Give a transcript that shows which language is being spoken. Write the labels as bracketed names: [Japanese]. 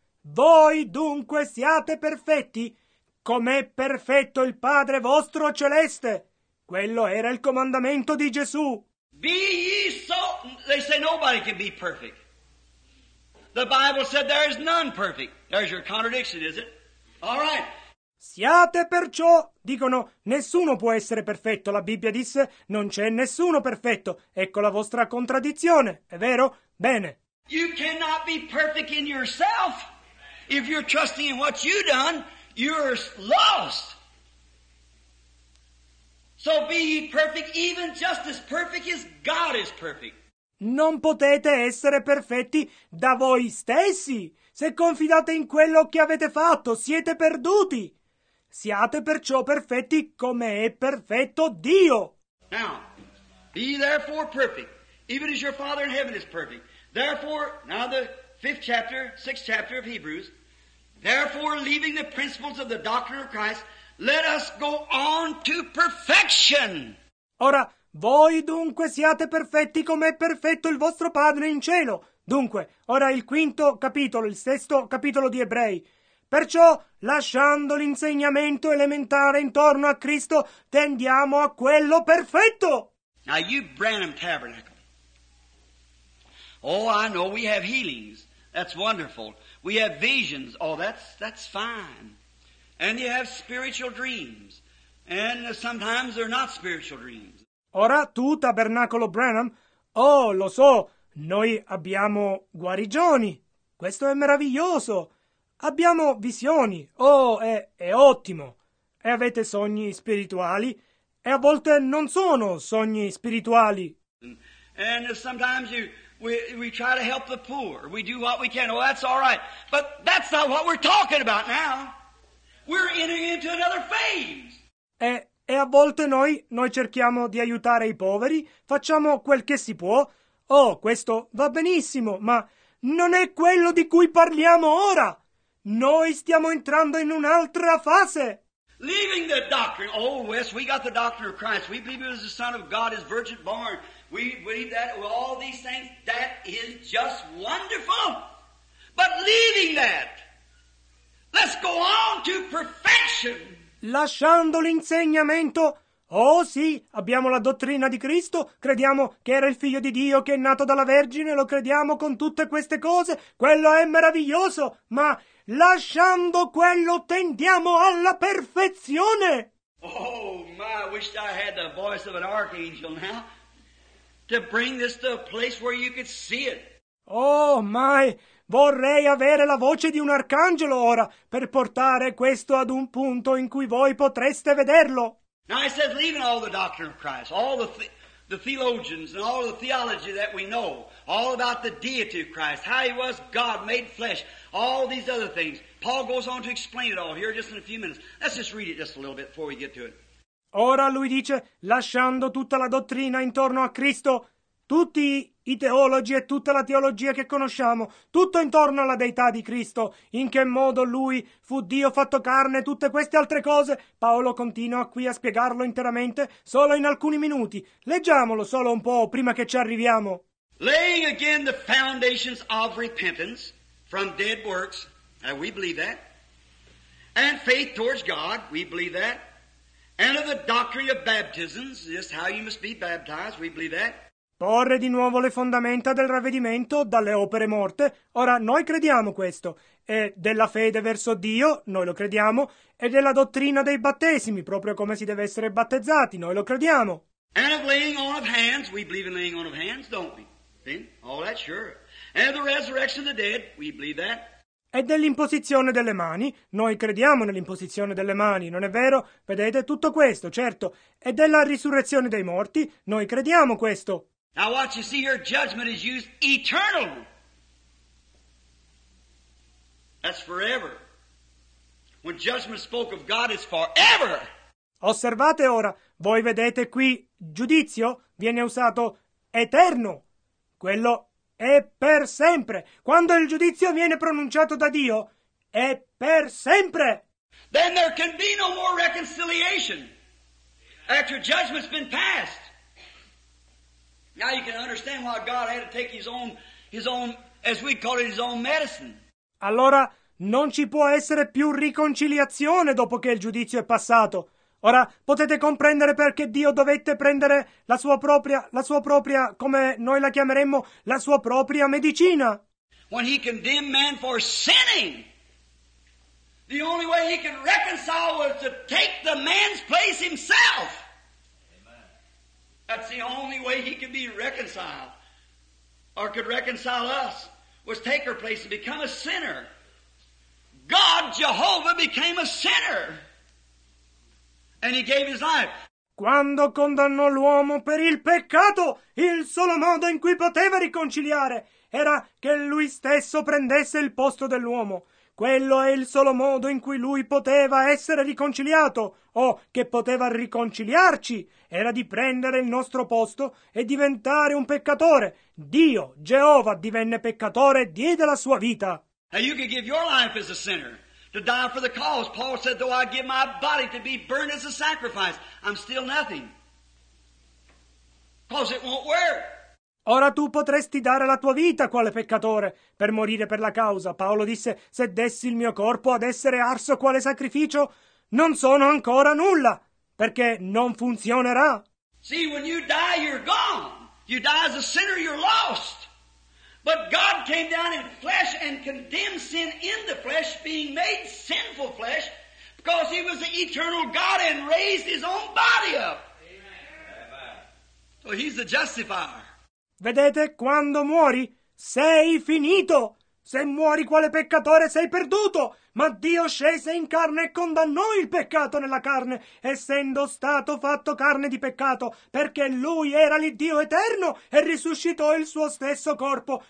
[Italian] Voi dunque siate perfetti, com'è perfetto il Padre vostro celeste. Quello era il comandamento di Gesù. [English] Be ye so... They say nobody can be perfect. The Bible said there is none perfect. There's your contradiction, is it? All right. [Italian] Siate perciò, dicono, nessuno può essere perfetto. La Bibbia disse, non c'è nessuno perfetto. Ecco la vostra contraddizione, è vero? Bene. [English] You cannot be perfect in yourself. If you're trusting in what you've done, you're lost. So be perfect, even just as perfect as God is perfect. [Italian] Non potete essere perfetti da voi stessi. Se confidate in quello che avete fatto, siete perduti. Siate perciò perfetti come è perfetto Dio. [English] Now, be therefore perfect, even as your Father in heaven is perfect. Therefore, now the fifth chapter, sixth chapter of Hebrews. Therefore, leaving the principles of the doctrine of Christ, let us go on to perfection. [Italian] Ora, voi dunque siate perfetti come è perfetto il vostro Padre in cielo. Dunque, ora il quinto capitolo, il sesto capitolo di Ebrei. Perciò, lasciando l'insegnamento elementare intorno a Cristo, tendiamo a quello perfetto. [English] Now you Branham Tabernacle. Oh, I know we have healings. That's wonderful. We have visions. Oh, that's fine. And you have spiritual dreams. And sometimes they're not spiritual dreams. [Italian] Ora tu, Tabernacolo Branham, oh, lo so, noi abbiamo guarigioni. Questo è meraviglioso. Abbiamo visioni, oh, è ottimo. E avete sogni spirituali, e a volte non sono sogni spirituali. [English] And sometimes we try to help the poor. We do what we can. Oh, that's all right. But that's not what we're talking about now. We're entering into another phase. [Italian] E a volte noi cerchiamo di aiutare i poveri, facciamo quel che si può. Oh, questo va benissimo, ma non è quello di cui parliamo ora. Noi stiamo entrando in un'altra fase. [English] Leaving the doctrine. Oh, yes, we got the doctrine of Christ. We believe he was the Son of God, his virgin born. We believe that with all these things. That is just wonderful. But leaving that, let's go on to perfection. [Italian] Lasciando l'insegnamento, Oh sì, abbiamo la dottrina di Cristo, crediamo che era il figlio di Dio, che è nato dalla Vergine, lo crediamo con tutte queste cose, quello è meraviglioso, ma lasciando quello tendiamo alla perfezione! [English] Oh my, I wish I had the voice of an archangel now to bring this to a place where you could see it. [Italian] Oh my, vorrei avere la voce di un arcangelo ora per portare questo ad un punto in cui voi potreste vederlo. [English] Now it says, leaving all the doctrine of Christ, all the theologians and all the theology that we know, all about the deity of Christ, how he was God made flesh, all these other things. Paul goes on to explain it all here just in a few minutes. Let's just read it just a little bit before we get to it. [Italian] Ora lui dice, lasciando tutta la dottrina intorno a Cristo, tutti i teologi e tutta la teologia che conosciamo, tutto intorno alla deità di Cristo, in che modo lui fu Dio fatto carne, tutte queste altre cose, Paolo continua qui a spiegarlo interamente, solo in alcuni minuti. Leggiamolo solo un po' prima che ci arriviamo. [English] Laying again the foundations of repentance from dead works, and we believe that, and faith towards God, we believe that, and of the doctrine of baptisms, just how you must be baptized, we believe that. [Italian] Porre di nuovo le fondamenta del ravvedimento dalle opere morte. Ora, noi crediamo questo. E della fede verso Dio, noi lo crediamo. E della dottrina dei battesimi, proprio come si deve essere battezzati, noi lo crediamo. [English] And of laying on of hands, we believe in laying on of hands, don't we? Then, all that, sure. And the resurrection of the dead, we believe that. [Italian] E dell'imposizione delle mani, noi crediamo nell'imposizione delle mani, non è vero? Vedete, tutto questo, certo. E della risurrezione dei morti, noi crediamo questo. [English] Now watch, you see, your judgment is used eternally. That's forever. When judgment spoke of God, it's forever. [Italian] Osservate ora, voi vedete qui, giudizio viene usato eterno. Quello è per sempre. Quando il giudizio viene pronunciato da Dio, è per sempre. [English] Then there can be no more reconciliation after judgment's been passed. Now you can understand why God had to take his own, as we call it, his own medicine. [Italian] Allora non ci può essere più riconciliazione dopo che il giudizio è passato. Ora potete comprendere perché Dio dovette prendere la sua propria, come noi la chiameremmo, la sua propria medicina. [English] When he condemned man for sinning, the only way he could reconcile was to take the man's place himself. That's the only way he could be reconciled, or could reconcile us, was take our place and become a sinner. God, Jehovah, became a sinner, and he gave his life. [Italian] Quando condannò l'uomo per il peccato, il solo modo in cui poteva riconciliare era che lui stesso prendesse il posto dell'uomo. Quello è il solo modo in cui lui poteva essere riconciliato, o che poteva riconciliarci, era di prendere il nostro posto e diventare un peccatore. Dio, Geova, divenne peccatore e diede la sua vita. [English] Now you could give your life as a sinner, to die for the cause. Paul said, though I give my body to be burned as a sacrifice, I'm still nothing. Because it won't work. [Italian] Ora tu potresti dare la tua vita quale peccatore per morire per la causa. Paolo disse, se dessi il mio corpo ad essere arso quale sacrificio, non sono ancora nulla, perché non funzionerà. [English] See, when you die, you're gone. You die as a sinner, you're lost. But God came down in flesh and condemned sin in the flesh, being made sinful flesh, because he was the eternal God and raised his own body up. Amen. So he's the justifier. [Italian] Vedete, quando muori, sei finito. Se muori quale peccatore, sei perduto. Ma Dio scese in carne e condannò il peccato nella carne, essendo stato fatto carne di peccato, perché lui era il Dio eterno e risuscitò il suo stesso corpo.